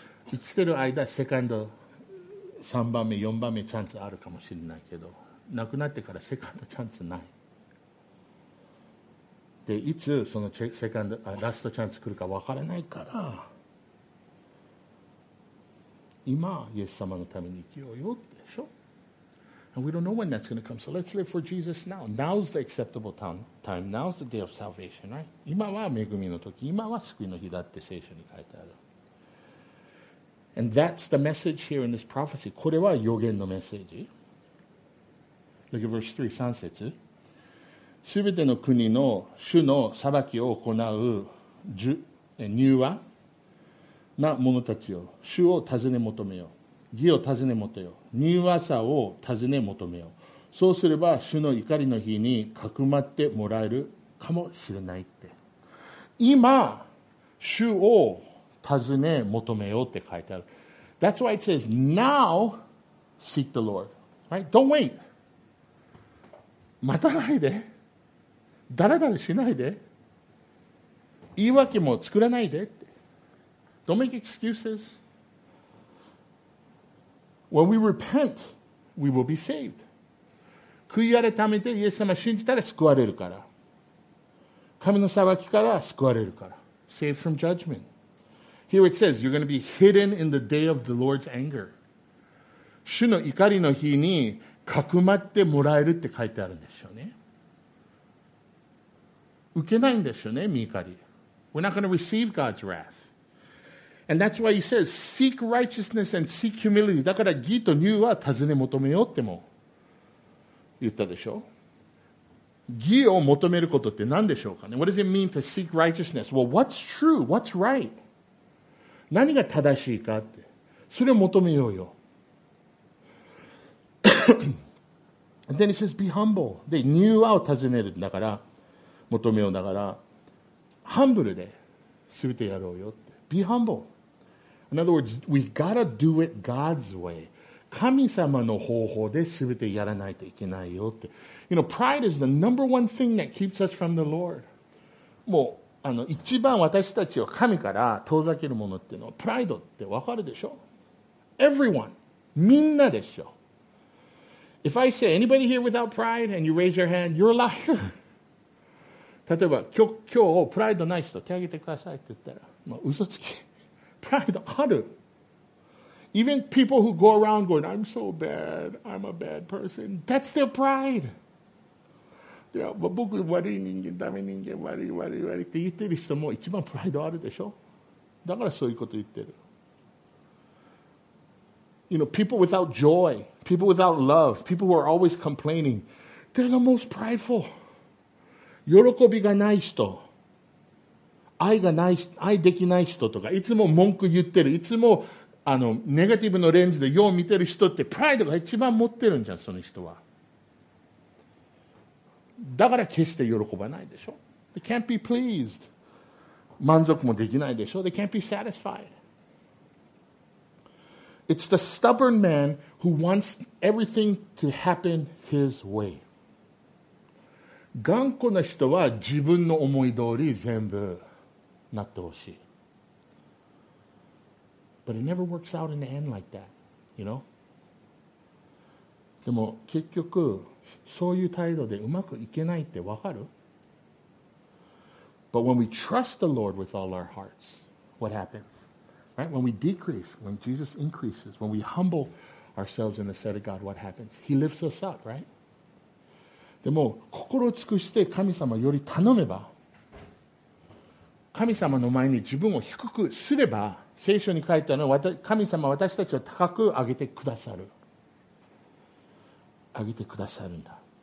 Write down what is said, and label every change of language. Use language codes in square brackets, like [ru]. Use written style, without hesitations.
[ja] 生きてる間、セカンド、3番目、4番目、チャンスあるかもしれないけど、亡くなってからセカンドチャンスない。で、いつそのセカンド、ラストチャンス来るか分からないから、今、イエス様のために生きようよってでしょ。 [en] And we don't know when that's going to come, so let's live for Jesus now. Now's the acceptable time. Now's the day of salvation, right? [ja] 今は恵みの時、今は救いの日だって聖書に書いてある。 [en] And that's the message here in this prophecy. [ja] これは予言のメッセージ。 [en] Look at verse 3, [ja] 3節。すべての国の主の裁きを行う柔和な者たちよ。主を尋ね求めよ。義を尋ね求めよ。柔和さを尋ね求めよ。そうすれば主の怒りの日にかくまってもらえるかもしれないって。今、主を尋ね求めようって書いてある。 [en] That's why it says now seek the Lord, right? Don't wait. [ja] 待たないで。だらだらしないで。言い訳も作らないで。 [en] Don't make excuses. When we repent, we will be saved. [ja] 悔い改めてイエス様信じたら救われるから。神の裁きから救われるから。 [en] Saved from judgment. Here it says, you're going to be hidden in the day of the Lord's anger. [ja] 主の怒りの日にかくまってもらえるって書いてあるんですよね。受けないんですよね、御怒り。 [en] We're not going to receive God's wrath. And that's why he says, seek righteousness and seek humility. [ja] だから義と柔和は尋ね求めようっても言ったでしょ。義を求めることって何でしょうかね。 [en] What does it mean to seek righteousness? Well, what's true? What's right? [ja] 何が正しいかって、それを求めようよ。 [en] And then it says, be humble. [ja] で、ニューアを尋ねるんだから、求めようだから、ハンブルで全てやろうよって。 [en] Be humble. In other words, we gotta do it God's way. [ja] 神様の方法で全てやらないといけないよって。 [en] You know, pride is the number one thing that keeps us from the Lord. [ja] もう、一番私たちを神から遠ざけるものっていうのは、プライドってわかるでしょ ? [en] Everyone. [ja] みんなでしょ。 [en] If I say anybody here without pride and you raise your hand, you're a liar. [ja] 例えば今日プライドない人手挙げてくださいって言ったら、まあ、嘘つき。プライドある。 [en] Even people who go around going, I'm so bad, I'm a bad person. That's their pride. [ja] いや、まあ、僕悪い人間、ダメ人間、悪いって言ってる人も一番プライドあるでしょ。だからそういうこと言ってる。 [en] You know, people without joy, people without love, people who are always complaining, they're the most prideful. [ja] 喜びがない人、愛がない、愛できない人とか、いつも文句言ってる、いつもネガティブのレンズでよう見てる人って、プライドが一番持ってるんじゃん、その人は。だから決して喜ばないでしょ。 [en] They can't be pleased. [ja] 満足もできないでしょ。 [en] They can't be satisfied. It's the stubborn man who wants everything to happen his way. [ja] 頑固な人は自分の思い通り全部なってほしい。 [en] But it never works out in the end like that, you know? [ja] でも結局そういう態度でうまくいけないってわかる? [en] But when we trust the Lord with all our hearts, what happens? Right? When we decrease, when Jesus increases, when we humble ourselves in the sight of God, what happens? He lifts us up, right? [ja] でも心を尽くして神様より頼めば、神様の前に自分を低くすれば、聖書に書いてあるのは、神様は私たちを高く上げてくださる。上げてくださるんだ。